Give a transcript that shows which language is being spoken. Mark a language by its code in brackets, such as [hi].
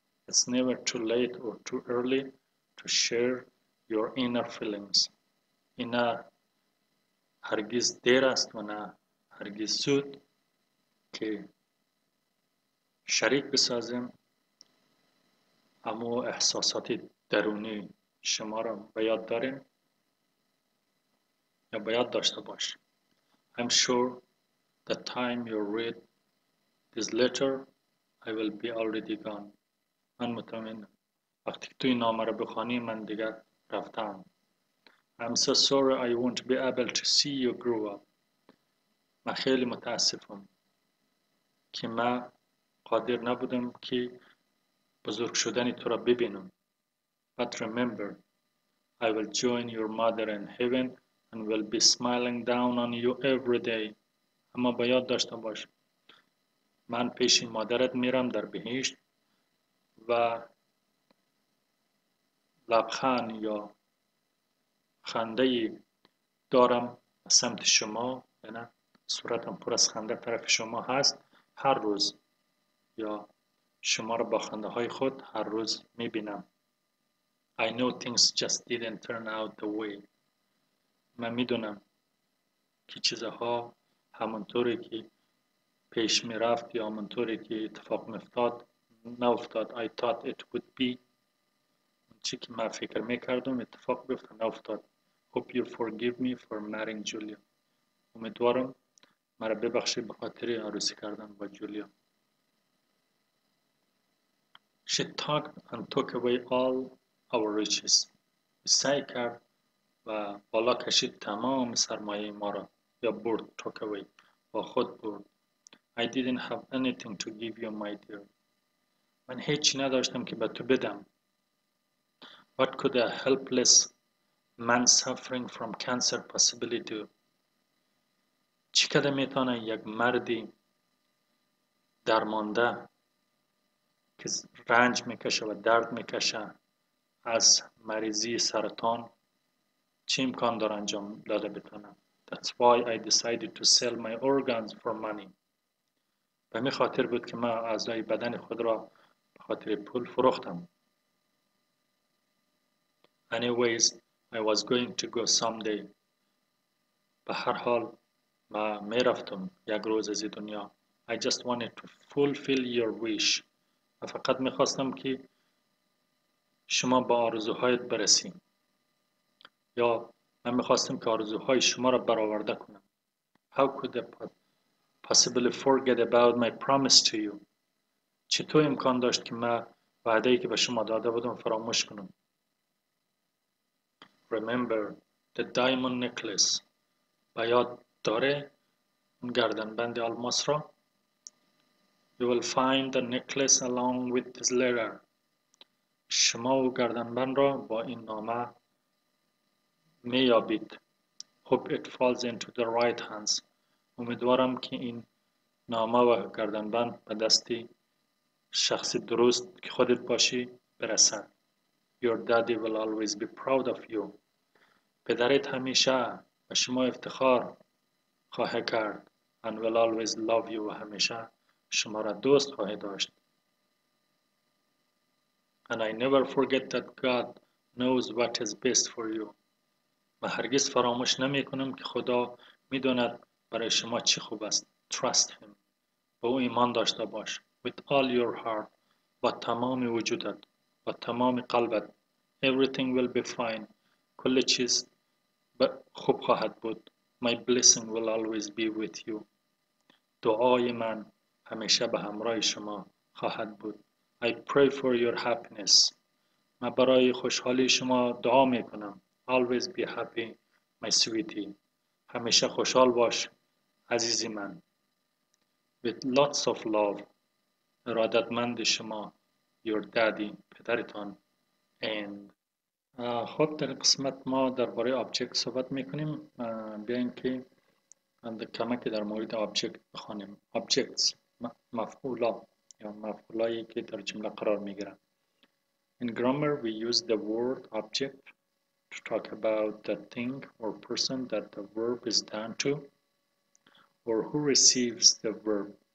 [en] It's never too late or too early to share your inner feelings. [fa] اینا هرگز دیر است و نه هرگز زود که شریک بسازیم اما احساسات درونی شما را بیاد داریم یا بیاد داشته باش. [en] I'm sure the time you read this letter I will be already gone. [fa] من مطمئنم وقتی که تو این نامه را بخوانی من دیگه رفتم. [en] I'm so sorry I won't be able to see you grow up. [fa] ما خیلی متاسفم که ما قادر نبودم که بزرگ شدن تو را ببینم. [en] But remember, I will join your mother in heaven and will be smiling down on you every day. [fa] اما به یاد داشته باش من پیش مادرت میرم در بهشت و لبخند یا خنده دارم سمت شما، یعنی صورتم پر از خنده طرف شما هست هر روز یا شما رو با خنده های خود هر روز میبینم. [en] I know things just didn't turn out the way. [fa] من میدونم که چیزها همونطوری که پیش میرفت یا همونطوری که اتفاق میفتاد نافتاد. [en] I thought it would be. [fa] اون چی که من فکر میکردم اتفاق بیفته نافتاد. [en] Hope you forgive me for marrying Julia. [fa] امیدوارم مرا ببخشی به خاطر عروسی کردن با جولیا. [en] She talked and took away all our riches. [fa] سعی کرد و بالا کشید تمام سرمایه ما را یا برد [en] took away [fa] با خود برد. [en] I didn't have anything to give you, my dear. [fa] من هیچی نداشتم که به تو بدم. [en] What could a helpless man suffering from cancer possibly do? [fa] چی کده میتونه یک مردی درمانده که رنج میکشه و درد میکشه از مریضی سرطان چی امکان داره انجام داده بتونه؟ [en] That's why I decided to sell my organs for money. [fa] به می خاطر بود که من اعضای بدن خود را به خاطر پول فروختم. [en] Anyways, I was going to go someday. [fa] به هر حال ما می رفتم یک روز از دنیا. [en] I just wanted to fulfill your wish. [fa] من فقط می خواستم که شما با آرزوهایت برسیم. یا من می خواستم که آرزوهای شما را برآورده کنم. [en] How could I possibly forget about my promise to you? [fa] چطور امکان داشت که من وعده ای که به شما داده بودم فراموش کنم؟ [en] Remember the diamond necklace. [fa] بیاد داره اون گردن بند الماس را. [en] You will find the necklace along with this letter. [fa] شما و گردن بند را با این نامه میابید. [en] Hope it falls into the right hands. [fa] امیدوارم که این نامه و گردن بند به دست شخص درست که خودت باشی برسد. [en] Your daddy will always be proud of you. [fa] پدرت همیشه و شما افتخار خواهد کرد. [en] And will always love you [fa] و همیشه شما را دوست خواهد داشت. [en] And I never forget that God knows what is best for you. [fa] من هرگز فراموش نمی کنم که خدا می داند برای شما چی خوب است. [en] Trust him. [fa] به او ایمان داشته باش. [en] With all your heart. [fa] با تمام وجودت. با تمام قلبت. [en] Everything will be fine. [fa] کل چیز خوب خواهد بود. [en] My blessing will always be with you. [fa] دعای من همیشه به همراه شما خواهد بود. [en] I pray for your happiness. [fa] من برای خوشحالی شما دعا می کنم. [en] Always be happy, my sweetie. [fa] همیشه خوشحال باش عزیزی من. [en] With lots of love. [fa] ارادتمند شما. [en] Your daddy. [fa] پدرتان. And خب در قسمت ما درباره آبجکت صحبت میکنیم. بیاین که کمک در مورد آبجکت بخونیم. [en] Objects. [fa] مفعولا یا مفعولایی که در جمله قرار میگیرن. [en] In grammar we use the word object to talk about the thing or person that the verb is done to or who receives the verb.